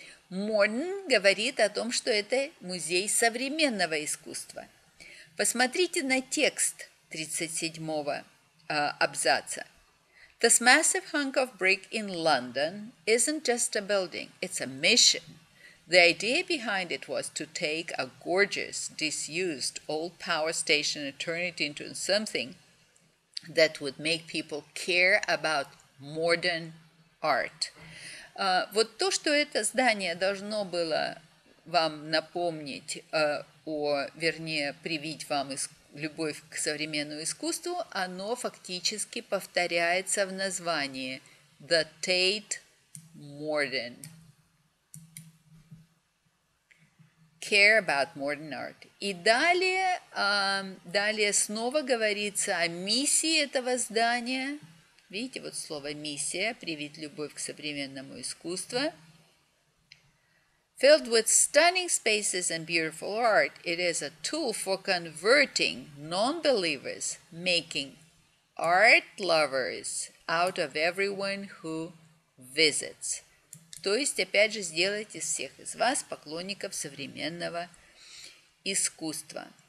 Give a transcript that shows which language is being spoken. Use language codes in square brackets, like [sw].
[ru] Modern говорит о том, что это музей современного искусства. Посмотрите на текст 37-го абзаца. [en] This massive hunk of brick in London isn't just a building, it's a mission. The idea behind it was to take a gorgeous, disused old power station and turn it into something that would make people care about modern art. [ru] Вот то, что это здание должно было вам напомнить, вернее, привить вам любовь к современному искусству, оно фактически повторяется в названии The Tate Modern. [en] Care about modern art. [ru] И далее снова говорится о миссии этого здания. Видите, вот слово «миссия» – привить любовь к современному искусству. [en] Filled with stunning spaces and beautiful art, it is a tool for converting non-believers, making art lovers out of everyone who visits. [ru] То есть, опять же, сделать из всех из вас поклонников современного искусства.